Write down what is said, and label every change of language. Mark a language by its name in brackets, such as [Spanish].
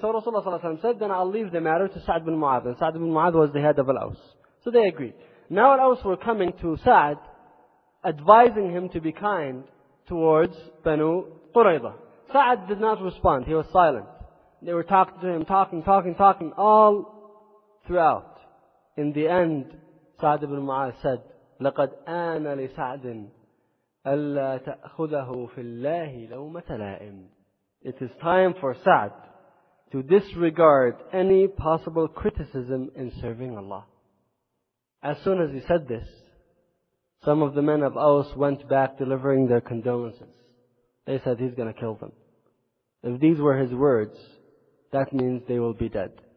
[English] So Rasulullah ﷺ said, then I'll leave the matter to Sa'd bin Mu'adh. And Sa'd bin Mu'adh was the head of Al-Aus. So they agreed. Now Al-Aus were coming to Sa'd, advising him to be kind towards Banu Qurayza. Sa'd did not respond. He was silent. They were talking to him, talking all throughout. In the end, Sa'd bin Mu'adh said, [Arabic] لَقَدْ آنَ لِسَعْدٍ أَلَّا تَأْخُذَهُ فِي اللَّهِ لَوْمَةَ لَائِمٍ. [English] It is time for Sa'd to disregard any possible criticism in serving Allah. As soon as he said this, some of the men of Aus went back delivering their condolences. They said he's going to kill them. If these were his words, that means they will be dead.